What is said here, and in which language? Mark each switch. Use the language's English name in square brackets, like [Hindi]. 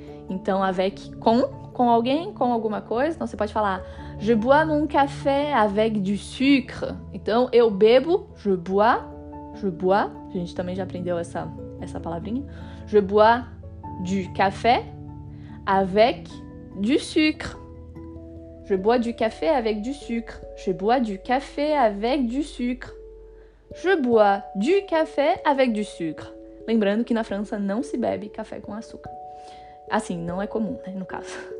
[Portuguese] Então, avec, com alguém, com alguma coisa. Então, você pode falar [French] je bois mon café avec du sucre. [Portuguese] Então, eu bebo, [French] je bois. [Portuguese] A gente também já aprendeu essa palavrinha. [French] Je bois du café avec du sucre. Je bois du café avec du sucre. Je bois du café avec du sucre. Je bois du café avec du sucre. [Portuguese] Lembrando que na França não se bebe café com açúcar. Assim, não é comum, né, no caso.